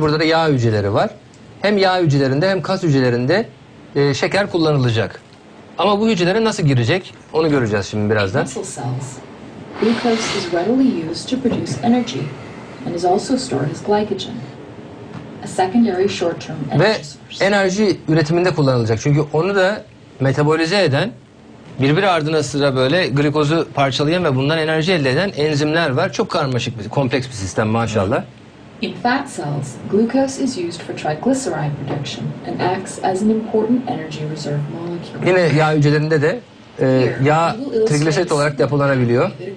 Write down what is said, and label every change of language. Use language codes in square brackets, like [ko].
[tr] Burada da yağ hücreleri var. Hem yağ hücrelerinde hem kas hücrelerinde şeker kullanılacak. Ama bu hücrelere nasıl girecek? Onu göreceğiz şimdi birazdan. [en] Glucose is readily used to produce energy and is also stored as glycogen, a secondary short-term energy source. [tr] Ve enerji üretiminde kullanılacak. Çünkü onu da metabolize eden, birbiri ardına sıra böyle glikozu parçalayan ve bundan enerji elde eden enzimler var. Çok karmaşık bir, kompleks bir sistem maşallah. [en] In fat cells, glucose is used for triglyceride production and acts as an important energy reserve molecule. [tr] Yine yağ hücrelerinde de yağ trigliserit olarak depolanabiliyor.